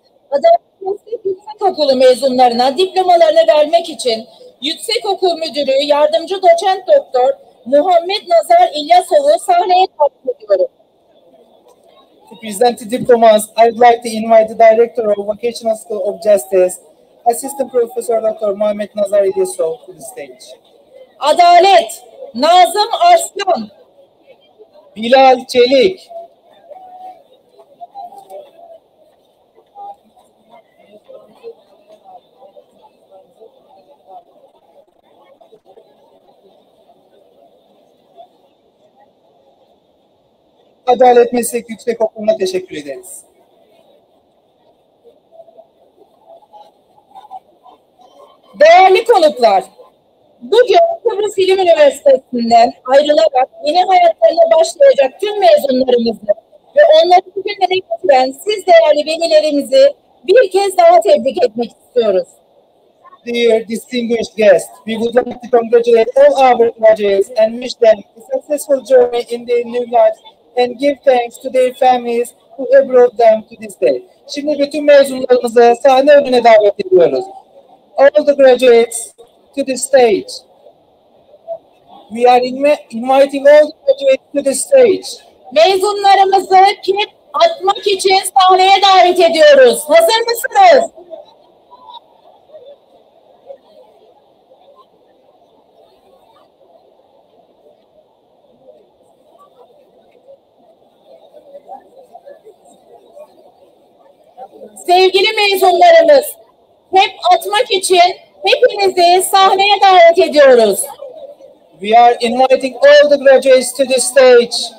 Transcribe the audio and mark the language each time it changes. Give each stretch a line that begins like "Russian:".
Turkish: Adalet Meslek Yüksekokulu mezunlarına diplomalarını vermek için Yüksekokul Müdürü Yardımcı Doçent Doktor Muhammed Nazar İlyasoğlu sahneye davet ediyorum.
English: To present the diplomas, I'd like to invite the Director of Vocational School of Justice, Assistant Professor Dr. Mehmet Nazar İlyasoğlu to the stage.
Turkish: Adalet, Nazım Arslan. Bilal Çelik. Adalet Meslek Yüksekokulu'na teşekkür ederiz. Değerli konuklar, bugün Kıbrıs İlim Üniversitesi'nden ayrılarak yeni hayatlarına başlayacak tüm mezunlarımızı ve onları bugünlere getiren siz değerli velilerimizi bir kez daha tebrik etmek istiyoruz.
English: Dear distinguished guests, we would like to congratulate all our graduates and wish them a successful journey in their new lives. And give thanks to their families who have brought them to this day.
Turkish: Şimdi bütün mezunlarımızı sahne önüne davet ediyoruz.
English: All the graduates to the stage. We are inviting all the graduates to the stage.
Turkish: Mezunlarımızı kip atmak için sahneye davet ediyoruz. Hazır mısınız? Sevgili mezunlarımız, hep atmak için hepinizi sahneye davet ediyoruz.
English: We are inviting all the graduates to the stage.